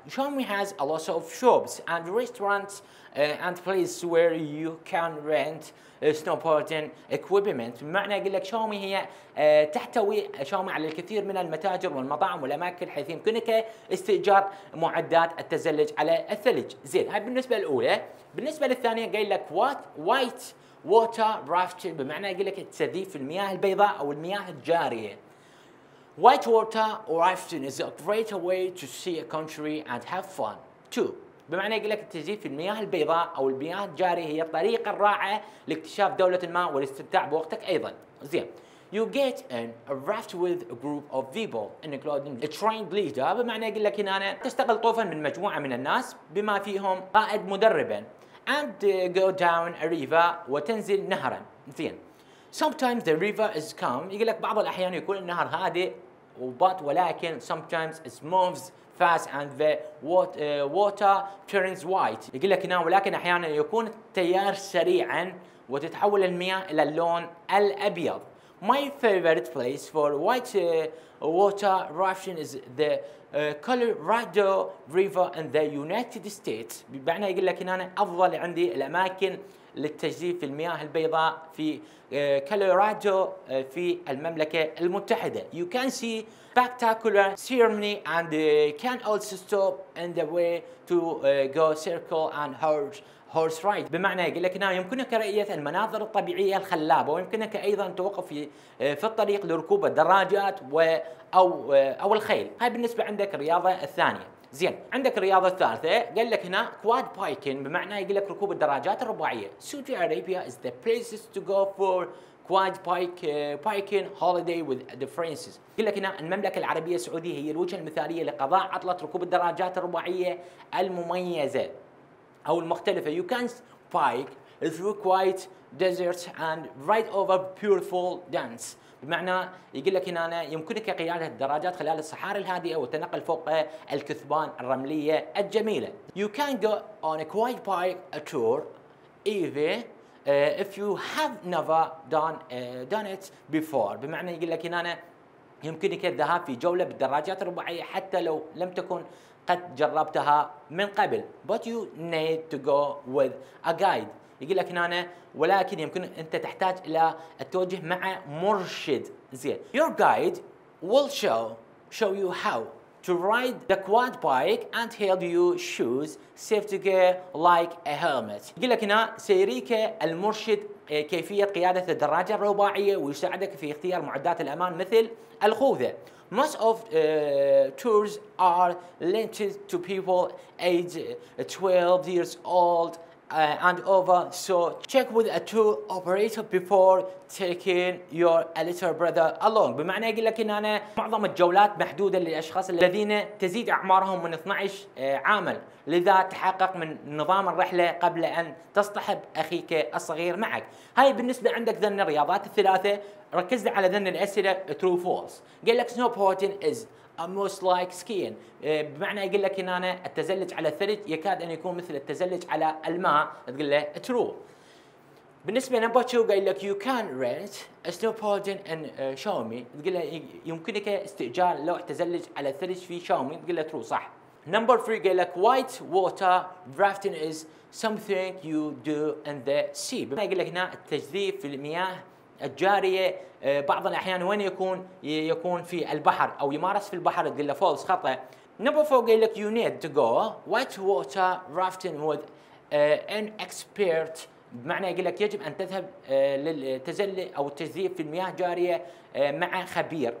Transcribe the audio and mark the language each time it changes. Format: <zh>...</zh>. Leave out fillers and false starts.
<en>شاومي has a lot of shops and restaurants and places where you can rent snowboarding equipment.</en> <ar>بمعنى يقول لك شاومي هي تحتوي شاومي على الكثير من المتاجر والمطاعم والأماكن حيث يمكنك استئجار معدات التزلج على الثلج. زين، هاي بالنسبة الأولى. بالنسبة للثانية قال لك white water rafting بمعنى يقول لك التزييف في المياه البيضاء أو المياه الجارية.</ar> <en>White water rafting is a great way to see a country and have fun too.</en> <ar>بمعنى يقول لك التزييف في المياه البيضاء أو المياه الجارية هي الطريقة الرائعة لاكتشاف دولة ما والاستمتاع بوقتك أيضا. زين.</ar> <en>You get in a raft with a group of people including a trained leader</en> <ar>بمعنى يقول لك هنا أنا تستقل طوفا من مجموعة من الناس بما فيهم قائد مدربا</ar> <en>and go down a river</en> <ar>وتنزل نهرا. زين.</ar> <en>Sometimes the river is calm</en> <ar>يقول لك بعض الأحيان يكون النهر هادئ</ar> <en>but</en> <ar>ولكن</ar> <en>sometimes it moves fast and the water turns white</en> <ar>يقول لك هنا ولكن أحيانا يكون التيار سريعا وتتحول المياه إلى اللون الأبيض.</ar> <en>My favorite place for white water rafting is the Colorado River in the United States.</en> <ar>بمعنى يقول لك هنا أفضل عندي الأماكن للتجديف في المياه البيضاء في كولورادو في المملكة المتحدة.</ar> <en>You can see spectacular scenery and can also stop in the way to go circle and horse ride.</en> <ar>بمعنى يقول لك هنا يمكنك رؤية المناظر الطبيعية الخلابة ويمكنك أيضا توقف في الطريق لركوب الدراجات أو الخيل. هاي بالنسبة عندك الرياضة الثانية. زين، عندك الرياضة الثالثة، قال لك هنا كواد بايكين بمعنى يقول لك ركوب الدراجات الرباعية.</ar> <en>Saudi Arabia is the places to go for quad bike biking holiday with the friends.</en> <ar>قال لك هنا المملكة العربية السعودية هي الوجهة المثالية لقضاء عطلة ركوب الدراجات الرباعية المميزة أو المختلفة.</ar> <en>You can bike through quiet deserts and ride over beautiful dunes.</en> <ar>بمعنى يقول لك هنا يمكنك قيادة الدراجات خلال الصحاري الهادئة والتنقل فوق الكثبان الرملية الجميلة.</ar> <en>You can go on a quiet bike tour even if you have never done it before.</en> <ar>بمعنى يقول لك هنا يمكنك الذهاب في جولة بالدراجات الرباعية حتى لو لم تكن قد جربتها من قبل.</ar> <en>But you need to go with a guide.</en> <ar>يقول لك هنا ولكن يمكن انت تحتاج الى التوجه مع مرشد. زين.</ar> <en>Your guide will show you how to ride the quad bike and help you choose safety gear like a helmet.</en> <ar>يقول لك هنا سيريك المرشد كيفية قيادة الدراجة الرباعية ويساعدك في اختيار معدات الأمان مثل الخوذة.</ar> <en>Most of tours are limited to people age 12 years old and over. So check with a tour operator before taking your little brother along.</en> <ar>بمعنى أقول لك إن أنا معظم الجولات محدودة للأشخاص الذين تزيد أعمارهم من 12 عاما. لذا تحقق من نظام الرحلة قبل أن تصطحب أخيك الصغير معك. هاي بالنسبة عندك ذن الرياضات الثلاثة. ركز على ذن الأسئلة true false. قال لك</ar> <en>snow boarding is most like skiing.</en> <ar>بمعنى يقول لك إن أنا التزلج على الثلج يكاد أن يكون مثل التزلج على الماء. تقول له true. بالنسبة</ar> <en>number two</en> <ar>قال لك</ar> <en>you can rent a snowboarding in Xiaomi.</en> <ar>تقول له يمكنك استئجار لوح تزلج على الثلج في Xiaomi. تقول له true صح.</ar> <en>Number three</en> <ar>قال لك</ar> <en>white water rafting is something you do in the sea.</en> <ar>بمعنى يقول لك هنا التجديف في المياه الجارية بعض الأحيان وين يكون في البحر أو يمارس في البحر. تقول له false خطأ.</ar> <en>Number four</en> <ar>قال لك</ar> <en>you need to go white water rafting with an expert.</en> <ar>بمعنى يقول لك يجب أن تذهب للتزلج أو التجديف في المياه الجارية مع خبير.</ar>